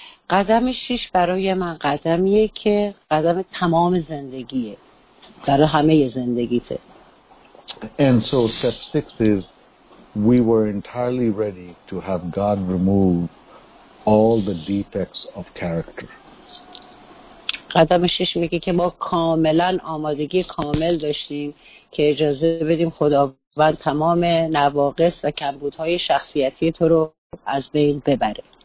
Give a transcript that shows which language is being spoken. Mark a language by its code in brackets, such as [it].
[fa] قدم شش برای من قدمیه که قدم تمام زندگیه. برای همه زندگیته. [en] And so step six is, we were entirely ready to have God remove all the defects of character. [fa] قدم شش میگه که ما کاملا آمادگی کامل داشتیم که اجازه بدیم خداوند تمام نواقص و کمبودهای شخصیتی تو رو از بین ببره.